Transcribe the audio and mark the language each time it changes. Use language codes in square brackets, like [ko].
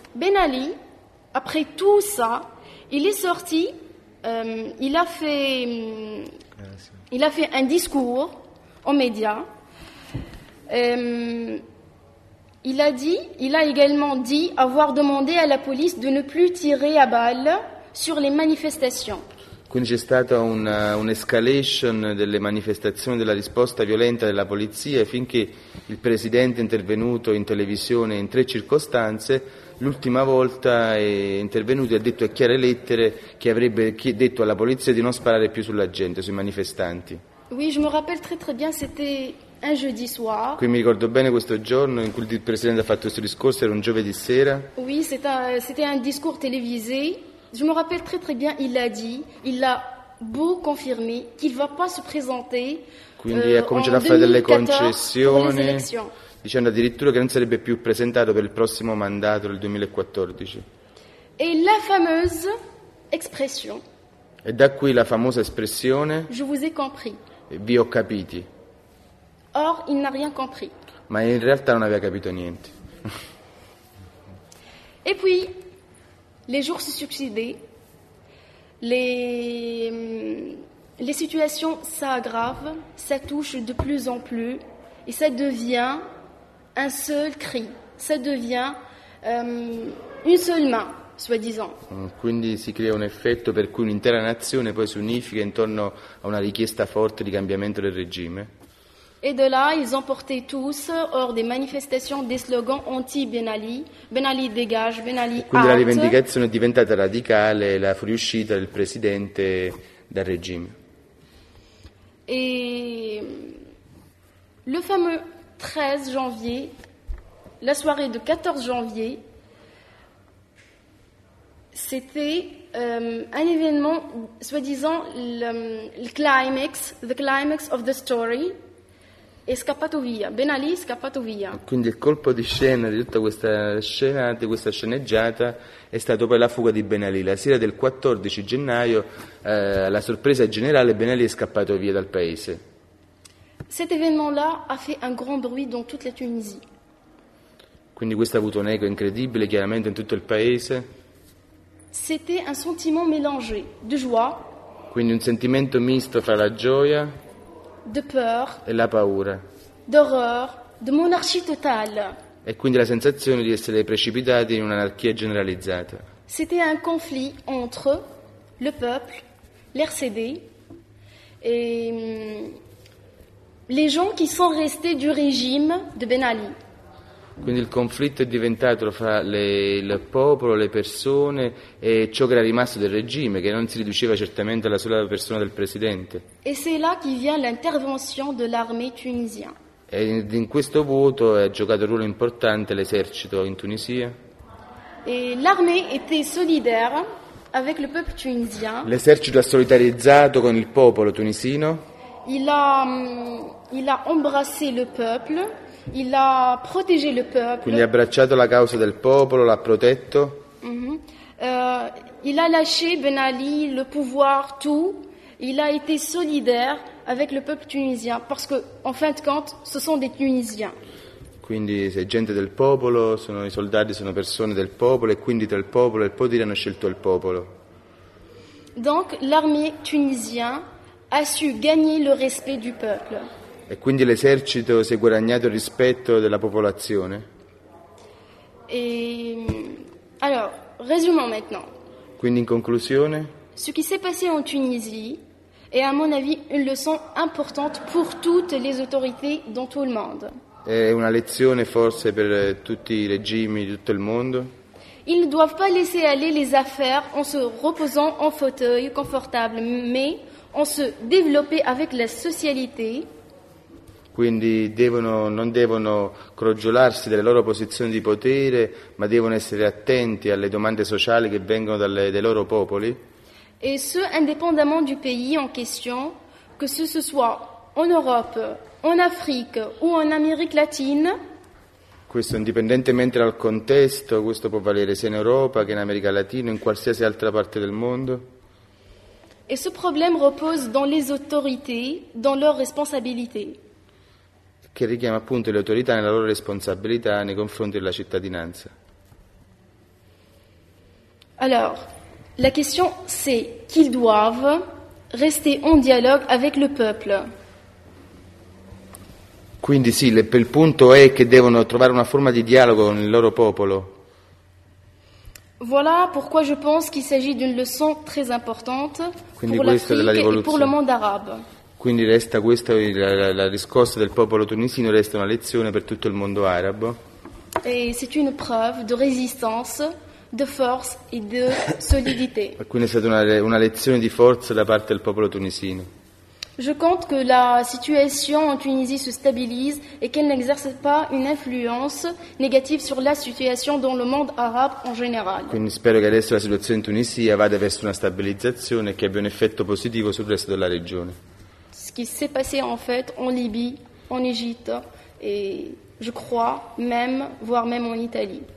[fr] Ben Ali, après tout ça, il est sorti, il a fait un discours aux médias. Il a également dit avoir demandé à la police de ne plus tirer à balles sur les manifestations. [it] Quindi c'è stata un'escalation delle manifestazioni, della risposta violenta della polizia, finché il Presidente è intervenuto in televisione in tre circostanze. L'ultima volta è intervenuto e ha detto a chiare lettere che avrebbe detto alla polizia di non sparare più sulla gente, sui manifestanti. [fr] Oui, je me rappelle très très bien, c'était un jeudi soir. [it] Qui mi ricordo bene questo giorno in cui il Presidente ha fatto questo discorso, era un giovedì sera. [fr] Oui, c'était un discours télévisé. Je me rappelle très très bien, il l'a dit, il l'a beau confirmé qu'il va pas se présenter. [it] Quindi ha cominciato a fare delle concessioni, dicendo addirittura che non sarebbe più presentato per il prossimo mandato del 2014. [fr] Et la fameuse expression. [it] E da qui la famosa espressione. [fr] Je vous ai compris. [it] Vi ho capiti. [fr] Or, il n'a rien compris. [it] Ma in realtà non aveva capito niente. [fr] Et puis les jours se succédaient, les situations s'aggravent, ça touche de plus en plus, et ça devient un seul cri, ça devient une seule main, soi-disant. [it] Quindi si crea un effetto per cui un'intera nazione poi si unifica intorno a una richiesta forte di cambiamento del regime. [fr] Et de là, ils ont porté tous, hors des manifestations, des slogans anti-Ben Ali. Ben Ali dégage, Ben Ali [it] quindi la rivendicazione è diventata radicale, la fuoriuscita del presidente dal regime. [fr] Et le fameux 13 janvier, la soirée de 14 janvier, c'était un événement, soi-disant, [en] the climax of the story. [it] È scappato via, Ben Ali è scappato via. Quindi il colpo di scena di tutta questa scena, di questa sceneggiata, è stato poi la fuga di Ben Ali. La sera del 14 gennaio, la sorpresa generale, Ben Ali è scappato via dal paese. [fr] Cet événement-là a fait un grand bruit dans toute la Tunisie. [it] Quindi questo ha avuto un eco incredibile, chiaramente, in tutto il paese. [fr] C'était un sentiment mélangé, de joie. [it] Quindi un sentimento misto fra la gioia. [fr] De peur, [it] e la paura, [fr] d'horreur, de monarchie totale. [it] E quindi la sensazione di essere precipitati in un'anarchia generalizzata. [fr] C'était un conflit entre le peuple, l'RCD et les gens qui sont restés du régime de Ben Ali. [it] Quindi il conflitto è diventato fra il popolo, le persone e ciò che era rimasto del regime, che non si riduceva certamente alla sola persona del presidente. [fr] E c'est là qui vient l'intervention de l'armée tunisienne. [it] E in questo vuoto ha giocato un ruolo importante l'esercito in Tunisia. [fr] E l'armée était solidaire avec le peuple tunisien. [it] L'esercito ha solidarizzato con il popolo tunisino. [fr] Il a embrassé le peuple. Il a protégé le peuple. [it] Quindi ha abbracciato la causa del popolo, l'ha protetto. Mm-hmm. [fr] Il a lâché Ben Ali, le pouvoir, tout. Il a été solidaire avec le peuple tunisien, parce que, en fin de compte, ce sont des Tunisiens. [it] Quindi c'è gente del popolo, sono i soldati, sono persone del popolo, e quindi tra il popolo e il potere hanno scelto il popolo. [fr] Donc l'armée tunisienne a su gagner le respect du peuple. [it] E quindi l'esercito si è guadagnato il rispetto della popolazione. E allora, [fr] résumons maintenant. [it] Quindi in conclusione, [fr] ce qui s'est passé en Tunisie est à mon avis une leçon importante pour toutes les autorités dans tout le monde. [it] È una lezione forse per tutti i regimi di tutto il mondo. [fr] Ils ne doivent pas laisser aller les affaires en se reposant en fauteuil confortable, mais en se développer avec la socialité. [it] Quindi non devono crogiolarsi delle loro posizioni di potere, ma devono essere attenti alle domande sociali che vengono dai loro popoli. [fr] E ce, indépendamment du pays en question, que ce soit en Europe, en Afrique ou en Amérique latine. [it] Questo indipendentemente dal contesto, questo può valere sia in Europa che in America Latina, in qualsiasi altra parte del mondo. [fr] E ce problème repose dans les autorités, dans leurs responsabilités. [it] Che richiama appunto le autorità nella loro responsabilità nei confronti della cittadinanza. [fr] Alors, la question c'est qu'ils doivent rester en dialogue avec le peuple. [it] Quindi sì, il punto è che devono trovare una forma di dialogo con il loro popolo. [fr] Voilà pourquoi je pense qu'il s'agit d'une leçon très importante pour l'Afrique et pour le monde arabe. [it] Quindi resta questa la riscossa del popolo tunisino, resta una lezione per tutto il mondo arabo. [fr] E c'est une preuve de résistance, de force et de solidité. [it] Quindi è stata una lezione di forza da parte del popolo tunisino. [fr] Je compte que la situation en Tunisie se stabilise et qu'elle n'exerce pas une influence négative sur la situation dans le monde arabe en général. [it] Quindi spero che adesso la situazione in Tunisia vada verso una stabilizzazione che abbia un effetto positivo sul resto della regione. [fr] Ce qui s'est passé en fait en Libye, en Égypte et je crois même, voire même en Italie.